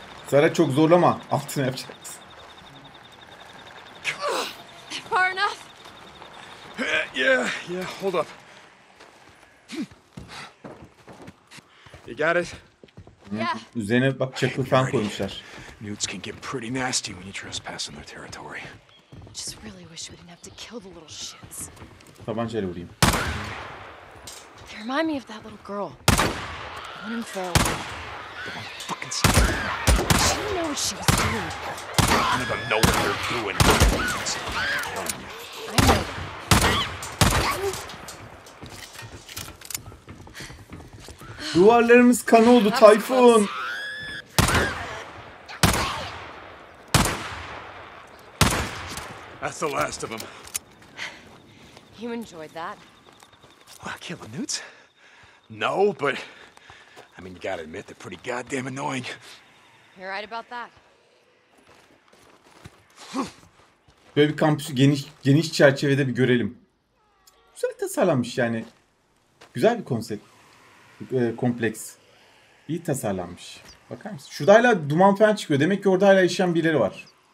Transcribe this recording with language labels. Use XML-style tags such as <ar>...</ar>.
<tr>Sara çok zorlama. Altını yapacaksın.</tr> <en>Far enough. Yeah, hold up. You got it? Yeah.</en> <tr>Üzerine bak çakıl falan koymuşlar.</tr> <en>Newts can get pretty nasty when you trespass on their territory. Just really wish we didn't have to kill the little shits.</en> <tr>Tabancayla vurayım.</tr> <en>They remind me of that little girl. One in Fail. Fucking stupid. She didn't know what she was doing. You don't even know what they're doing. I know that.</en> <tr>Duvarlarımız kan oldu Tayfun.</tr> <en>That's the last of them. You enjoyed that? Well, kill the newts? No, but I mean, you gotta admit they're pretty goddamn annoying. You're right about that.</en> <tr>Böyle bir kampüsü geniş çerçevede bir görelim. Güzel tasarlanmış yani. Güzel bir konsept. Kompleks. İyi tasarlanmış. Bakar mısın? Şurada hala duman falan çıkıyor. Demek ki orada hala yaşayan birileri var.</tr>